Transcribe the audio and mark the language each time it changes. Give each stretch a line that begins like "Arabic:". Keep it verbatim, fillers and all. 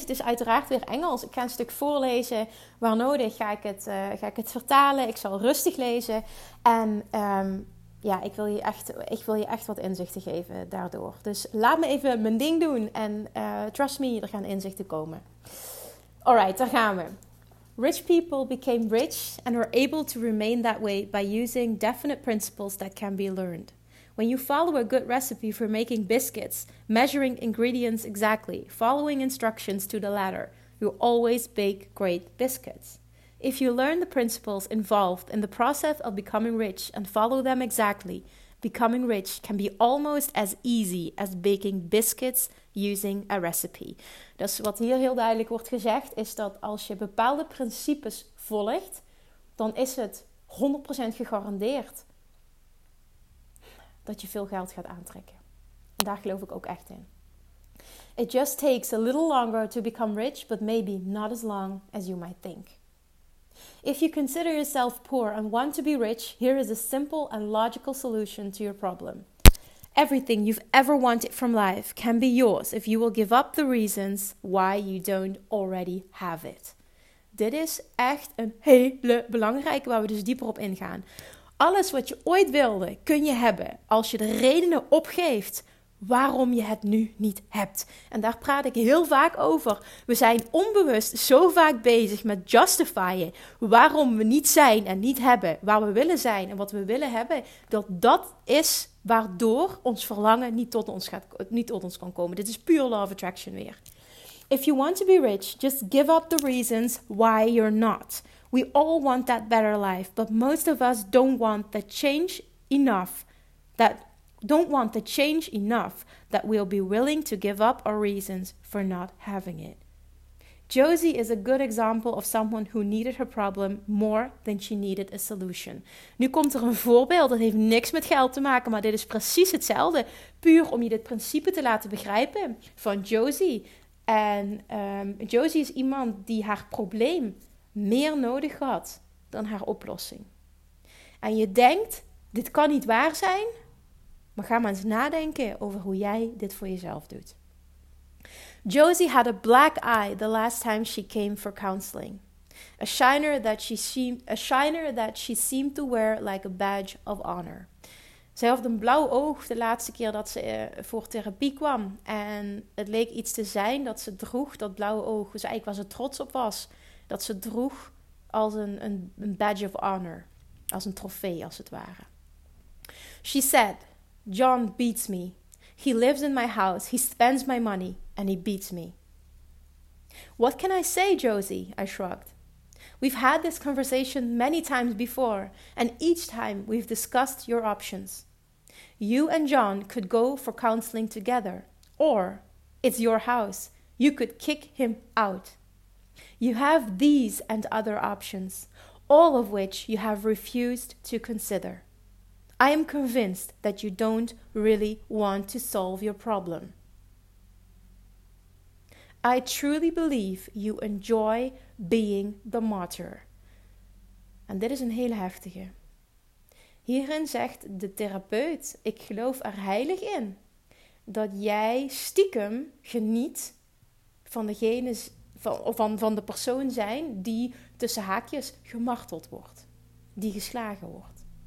Dutch: Het is uiteraard weer Engels. Ik ga een stuk voorlezen. Waar nodig ga ik het, uh, ga ik het vertalen. Ik zal rustig lezen. En um, ja, ik wil, je echt, ik wil je echt wat inzichten geven daardoor. Dus laat me even mijn ding doen. En uh,
English: trust me,
Dutch: er gaan inzichten komen. Alright, daar gaan we.
English: Rich people became rich and were able to remain that way by using definite principles that can be learned. When you follow a good recipe for making biscuits, measuring ingredients exactly, following instructions to the letter, you always bake great biscuits. If you learn the principles involved in the process of becoming rich and follow them exactly, becoming rich can be almost as easy as baking biscuits using a recipe.
Dutch: Dus wat hier heel duidelijk wordt gezegd is dat als je bepaalde principes volgt, dan is het honderd procent gegarandeerd dat je veel geld gaat aantrekken. En daar geloof ik ook echt in.
English: It just takes a little longer to become rich, but maybe not as long as you might think. If you consider yourself poor and want to be rich, here is a simple and logical solution to your problem. Everything you've ever wanted from life can be yours if you will give up the reasons why you don't already have it.
Dutch: dit is echt een hele belangrijke waar we dus dieper op ingaan. Alles wat je ooit wilde, kun je hebben als je de redenen opgeeft waarom je het nu niet hebt. En daar praat ik heel vaak over. We zijn onbewust zo vaak bezig met justifyen waarom we niet zijn en niet hebben, waar we willen zijn en wat we willen hebben, dat dat is waardoor ons verlangen niet tot ons, gaat, niet tot ons kan komen. Dit is puur
English: law of attraction
Dutch: weer.
English: If you want to be rich, just give up the reasons why you're not. We all want that better life, but most of us don't want the change enough that Don't want the change enough that we'll be willing to give up our reasons for not having it. Josie is a good example of someone who needed her problem more than she needed a solution.
Dutch: Nu komt er een voorbeeld, dat heeft niks met geld te maken, maar dit is precies hetzelfde. Puur om je dit principe te laten begrijpen van Josie. En um, Josie is iemand die haar probleem meer nodig had dan haar oplossing. En je denkt, dit kan niet waar zijn. Maar ga maar eens nadenken over hoe jij dit voor jezelf doet.
English: Josie had a black eye the last time she came for counseling. A shiner that she seemed, a shiner that she seemed to wear like a badge of honor.
Dutch: Zij had een blauw oog de laatste keer dat ze uh, voor therapie kwam. En het leek iets te zijn dat ze droeg, dat blauwe oog. Dus eigenlijk was ze trots op was. Dat ze droeg als een, een, een
English: badge of honor.
Dutch: Als een trofee als het ware.
English: She said... John beats me. He lives in my house. He spends my money. And he beats me. What can I say, Josie? I shrugged. We've had this conversation many times before, and each time we've discussed your options. You and John could go for counseling together, or it's your house. You could kick him out. You have these and other options, all of which you have refused to consider. I am convinced that you don't really want to solve your problem. I truly believe you enjoy being the martyr.
Dutch: En dit is een hele heftige. Hierin zegt de therapeut, ik geloof er heilig in, dat jij stiekem geniet van degene, van, van, van de persoon zijn die tussen haakjes gemarteld wordt, die geslagen wordt.